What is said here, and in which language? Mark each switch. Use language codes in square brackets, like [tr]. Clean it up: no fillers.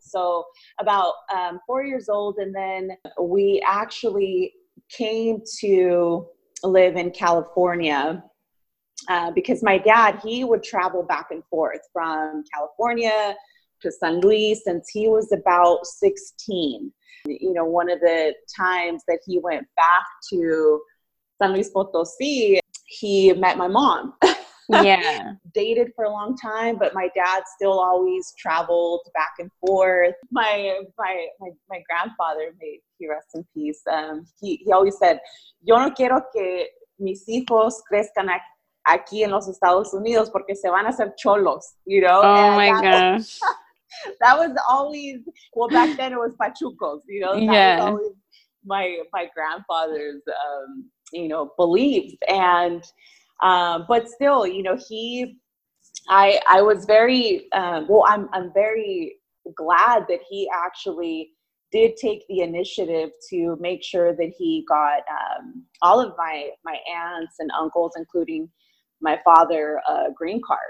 [en] So about 4 years old, and then we actually came to live in California because my dad, he would travel back and forth from California to San Luis since he was about 16. You know, one of the times that he went back to San Luis Potosí, he met my mom. Yeah. Dated for a long time, but my dad still always traveled back and forth. My grandfather, may he rest in peace, he always said, [es] yo no quiero que mis hijos crezcan aquí en los Estados Unidos porque se van a hacer cholos, [en] you know? Oh, and my gosh. That was always, well, back then it was pachucos, you know? That, yeah, was always my grandfather's, you know, beliefs. And but still, you know, I was very, I'm very glad that he actually did take the initiative to make sure that he got, all of my aunts and uncles, including my father, a green card.